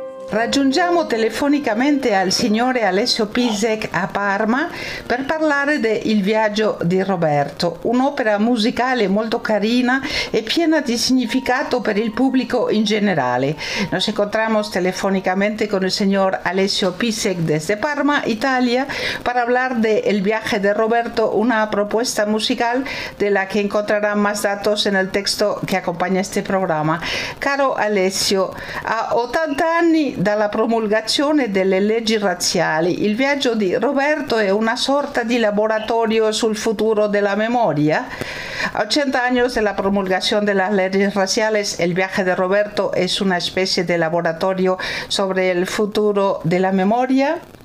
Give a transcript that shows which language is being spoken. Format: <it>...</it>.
<it>Raggiungiamo telefonicamente al signore Alessio Pizek a Parma per parlare de Il viaggio di Roberto, un'opera musicale molto carina e piena di significato per il pubblico in generale.</it> <es>Nos encontramos telefonicamente con el señor Alessio Pizek desde Parma, Italia, para hablar de El viaje de Roberto, una propuesta musical de la que encontrarán más datos en el texto que acompaña este programa.</es> <it>Caro Alessio, a 80 anni dalla promulgazione delle leggi razziali, il viaggio di Roberto è una sorta di laboratorio sul futuro della memoria? A 80 anni dalla promulgazione delle leggi razziali, il viaggio di Roberto è una specie di laboratorio sobre il futuro della memoria?</it>